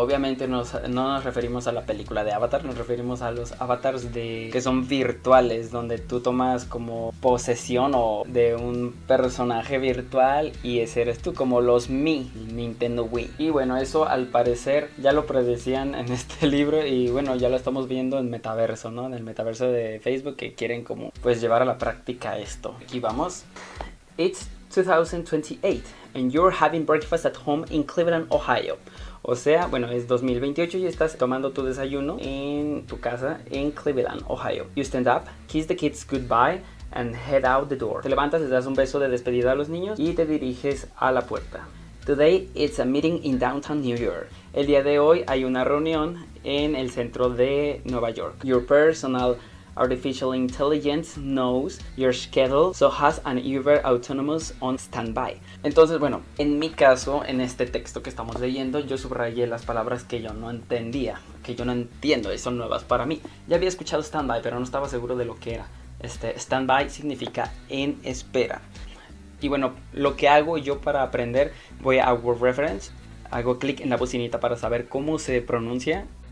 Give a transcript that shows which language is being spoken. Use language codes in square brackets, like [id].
[es] Obviamente no nos referimos a la película de Avatar, nos referimos a los avatars que son virtuales, donde tú tomas como posesión o de un personaje virtual y ese eres tú, como los Mi, Nintendo Wii. Y bueno, eso al parecer ya lo predecían en este libro y bueno, ya lo estamos viendo en metaverso, ¿no? En el metaverso de Facebook, que quieren como pues llevar a la práctica esto. Aquí vamos. [en] It's 2028 and you're having breakfast at home in Cleveland, Ohio. [es] O sea, bueno, es 2028 y estás tomando tu desayuno en tu casa en Cleveland, Ohio. [en] You stand up, kiss the kids goodbye and head out the door. [es] Te levantas, les das un beso de despedida a los niños y te diriges a la puerta. [en] Today it's a meeting in downtown New York. [es] El día de hoy hay una reunión en el centro de Nueva York. [en] Your personal artificial intelligence knows your schedule, so has an Uber autonomous on standby. [es] Entonces, bueno, en mi caso, en este texto que estamos leyendo, yo subrayé las palabras que yo no entendía, que yo no entiendo, y son nuevas para mí. Ya había escuchado standby, pero no estaba seguro de lo que era. Standby significa en espera. Y bueno, lo que hago yo para aprender, voy a Word Reference, hago clic en la bocinita para saber cómo se pronuncia.